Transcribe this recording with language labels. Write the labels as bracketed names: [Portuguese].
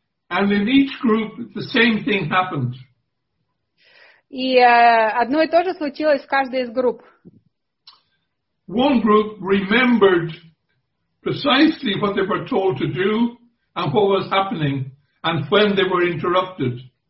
[English] And in each group the same thing happened. [Russian] И одно и то же случилось в каждой из групп. [English] One group remembered precisely what they were told to do and what was happening and when they were interrupted.